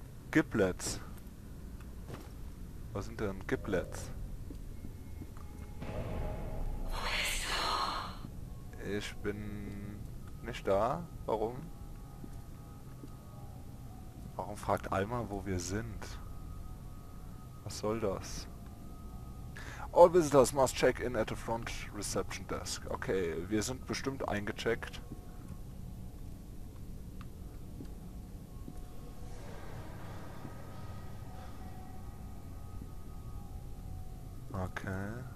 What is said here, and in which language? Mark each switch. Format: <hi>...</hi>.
<de>Giblets. Was sind denn Giblets? Ich bin nicht da. Warum? Warum fragt Alma, wo wir sind? Was soll das?</de> <en>All visitors must check in at the front reception desk.</en> <de>Okay, wir sind bestimmt eingecheckt. Okay.</de>